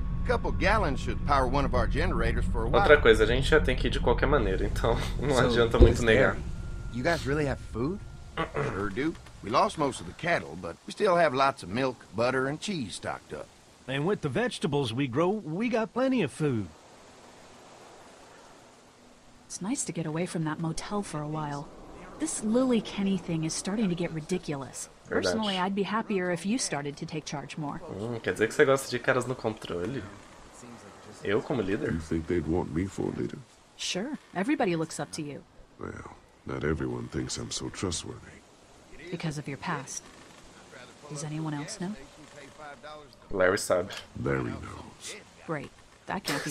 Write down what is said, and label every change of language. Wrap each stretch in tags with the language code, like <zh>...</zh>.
<en>A couple gallons should power one of our generators for a while.</en> <pt>Outra coisa, a gente já tem que ir de qualquer maneira, então não adianta muito negar.</pt> <en>You guys really have food? Sure do. We lost most of the cattle, but we still have lots of milk, butter and cheese stocked up. And with the vegetables we grow, we got plenty of food. It's nice to get away from that motel for a while. This Lily Kenny thing is starting to get ridiculous. Personally, I'd be happier if you started to take charge more.</en> <pt>Quer dizer que você gosta de caras no controle? Eu como líder?</pt> <en>You think they'd want me for a leader? Sure. Everybody looks up to you. Well, not everyone thinks I'm so trustworthy. Because of your past. Does anyone else know?</en> <pt>Larry sabe.</pt> <en>Larry knows. Great. That can't be.</en>